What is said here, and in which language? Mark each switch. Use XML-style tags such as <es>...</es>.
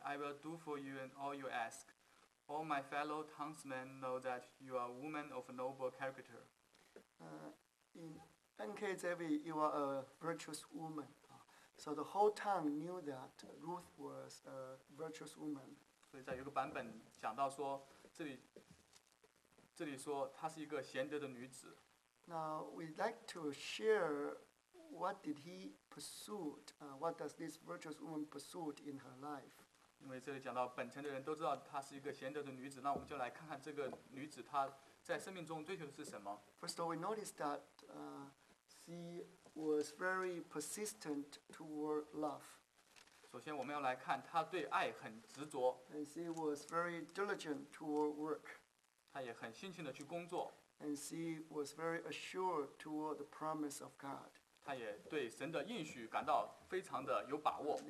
<en>I will do for you and all you ask. All my fellow townsmen know that you are a woman of a noble character. In NKJV, you are a virtuous woman. So the whole town knew that Ruth was a virtuous woman.</en> <zh>所以在有个版本讲到说，这里说她是一个贤德的女子。</zh> <en>Now, we'd like to share. What did he pursue? What does this virtuous woman pursue in her life?</en> <zh>因为这里讲到本城的人都知道她是一个贤德的女子，那我们就来看看这个女子她在生命中追求的是什么。</zh> <en>First of all, we noticed that she was very persistent toward love.</en> <zh>首先，我们要来看她对爱很执着。</zh> <en>And she was very diligent toward work.</en> <zh>她也很辛勤的去工作。</zh> <en>And she was very assured toward the promise of God.</en> <zh>他也对神的应许感到非常的有把握。</zh>